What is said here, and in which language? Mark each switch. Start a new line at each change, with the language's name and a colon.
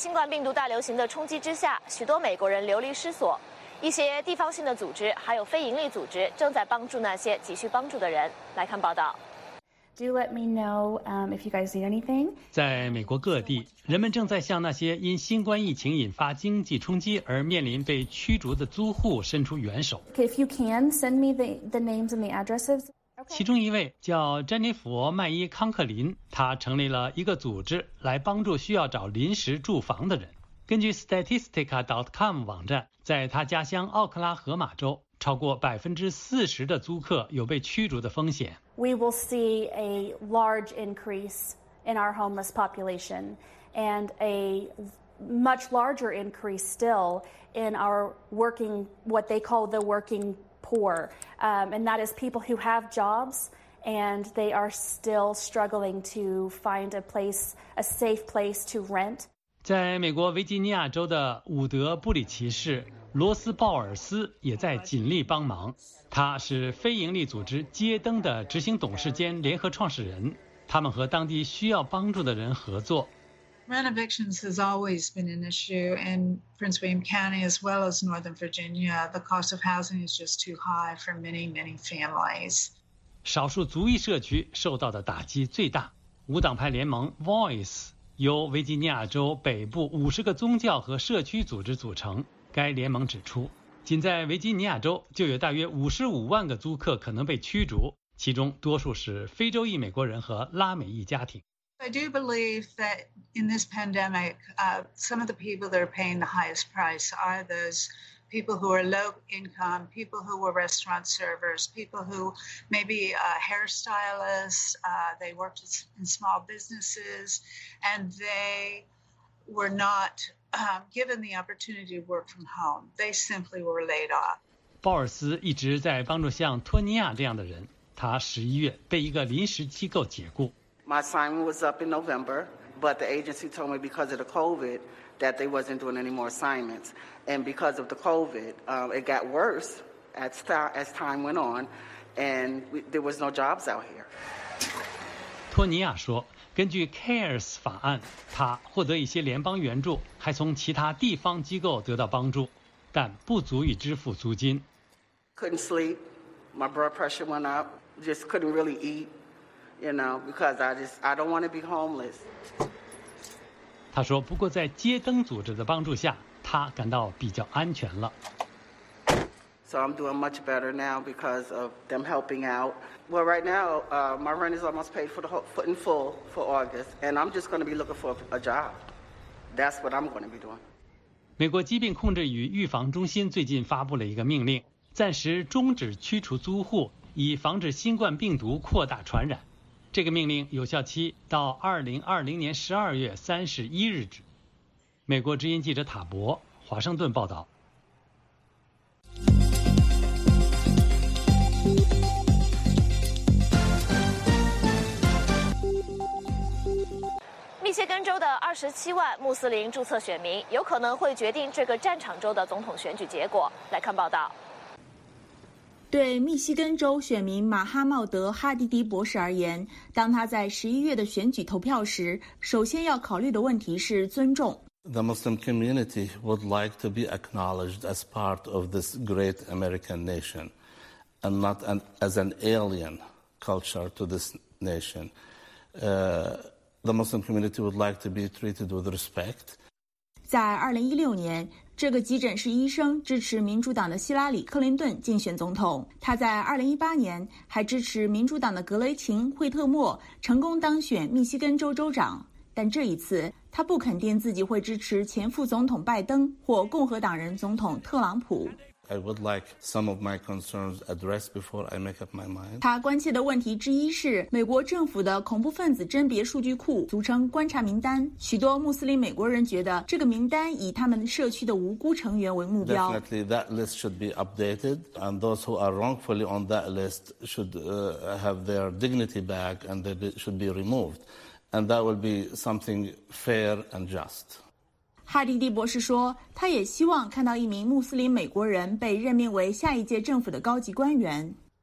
Chinese: 病毒大流行的冲击之下，许多美国人流离失所，一些地方性的组织还有非盈利组织正在帮助那些急需帮助的人。来看报道。
English: Do let me know if you guys need anything.
Chinese: 在美国各地，人们正在向那些因新冠疫情引发经济冲击而面临被驱逐的租户伸出援手。
English: If you can, send me the names and the addresses.
Chinese: 其中一位叫詹妮弗·麦伊康克林，他成立了一个组织来帮助需要找临时住房的人。根据 statistica.com 网站，在他家乡奥克拉荷马州，超过 40% 的租客有被驱逐的风险。
English: We will see a large increase in our homeless population and a much larger increase still in our working, what they call the working poor. And that is people who have jobs and they are still struggling to find a place, a safe place to rent.
Chinese: 在美国维吉尼亚州的伍德布里奇市，罗斯鲍尔斯也在尽力帮忙。他是非营利组织街灯的执行董事兼联合创始人。他们和当地需要帮助的人合作。
English: Rent evictions has always been an issue in Prince William County as well as Northern Virginia. The cost of housing is just too high for many, many families.
Chinese: 少数族裔社区受到的打击最大。无党派联盟 Voice 由维吉尼亚州北部50个宗教和社区组织组成。该联盟指出，仅在维吉尼亚州就有大约55万个租客可能被驱逐，其中多数是非洲裔美国人和拉美裔家庭。
English: I do believe that in this pandemic, some of the people that are paying the highest price are those people who are low income, people who were restaurant servers, people who maybe hairstylists, they worked in small businesses, and they were not given the opportunity to work from home. They simply were laid off.
Chinese: 鲍尔斯一直在帮助像托尼亚这样的人，他11月被一个临时机构解雇。
English: My assignment was up in November, but the agency told me because of the COVID that they wasn't doing any more assignments. And because of the COVID, it got worse as time went on. and there was no jobs out here.
Chinese: 托尼亚说，根据 CARES 法案，他获得一些联邦援助，还从其他地方机构得到帮助，但不足以支付租金。
English: Couldn't sleep, my blood pressure went up, just couldn't really eat, you know, because I don't want to be homeless.
Chinese: 他说，不过在街灯组织的帮助下，他感到比较安全了。
English: So I'm doing much better now because of them helping out. Well, right now, my rent is almost paid for the whole, foot in full for August, and I'm just going to be looking for a job. That's what I'm going to be doing.
Chinese: 美国疾病控制与预防中心最近发布了一个命令，暂时终止驱除租户，以防止新冠病毒扩大传染。这个命令有效期到2020年12月31日止。美国之音记者塔博，华盛顿报道。密歇根州的27万穆斯林注册选民有可能会决定这个战场州的总统选举结果。来看报道。对密西根州选民马哈茂德·哈迪迪博士而言，当他在11月的选举投票时，首先要考虑的问题是尊重。
English: The Muslim community would like to be acknowledged as part of this great American nation, and not as an alien culture to this nation. The Muslim community would like to be treated with respect.
Chinese: 在2016年。这个急诊室医生支持民主党的希拉里·克林顿竞选总统，他在2018年还支持民主党的格雷琴·惠特莫成功当选密西根州州长，但这一次他不肯定自己会支持前副总统拜登或共和党人总统特朗普。
English: I would like some of my concerns addressed before I make up my mind.
Chinese: 他关切的问题之一是美国政府的恐怖分子甄别数据库，俗称观察名单。许多穆斯林美国人觉得这个名单以他们社区的无辜成员为目标。
English: Definitely, that list should be updated, and those who are wrongfully on that list should have their dignity back, and they should be removed, and that will be something fair and just.
Chinese: 哈迪迪博士说，他也希望看到一名穆斯林美国人被任命为下一届政府的高级官员。